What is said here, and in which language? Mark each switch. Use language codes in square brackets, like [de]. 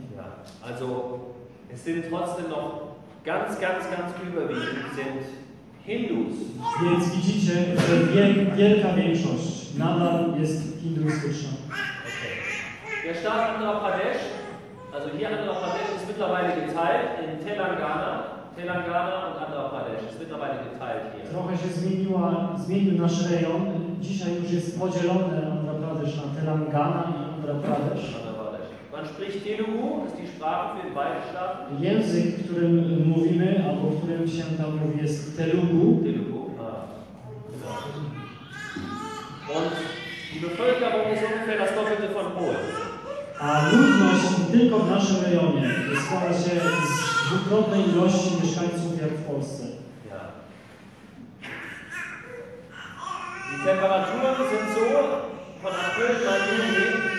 [de] Ja, also es sind trotzdem noch ganz, ganz, ganz überwiegend sind Hindus. [pl] Więc widzicie, że wielka większość nadal jest hinduistyczna. Okay. [de] Der Staat Andhra Pradesh, also hier Andhra Pradesh ist mittlerweile geteilt in Telangana und Andhra Pradesh ist mittlerweile geteilt hier. [pl] Trochę się zmienił nasz rejon. Dzisiaj już jest podzielone Andhra Pradesh na Telangana i Andhra Pradesh. [de] Man spricht Telugu, das ist die Sprache für beide Staaten. [pl] Język, którym mówimy, albo którym się tam mówi, jest Telugu. [de] Telugu, Und die Bevölkerung ist ungefähr das Doppelte von Polen. [pl] A ludność tylko w naszym rejonie składa się z dwukrotnej ilości mieszkańców jak w Polsce. [de] Ja. Die Temperaturen sind so, von April bis Juni.